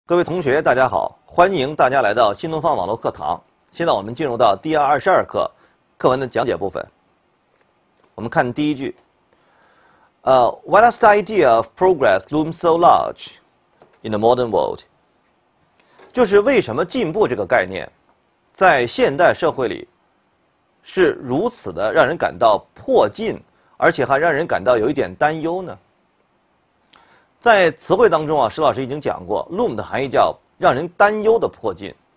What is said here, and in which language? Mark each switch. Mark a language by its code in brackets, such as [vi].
[zh] 各位同学，大家好，欢迎大家来到新东方网络课堂。现在我们进入到第22课课文的讲解部分。我们看第一句。 [en] Why does the idea of progress loom so large in the modern world? [zh] 就是为什么进步这个概念在现代社会里是如此的让人感到迫近，而且还让人感到有一点担忧呢？在词汇当中啊，石老师已经讲过 ，loom 的含义叫让人担忧的迫近。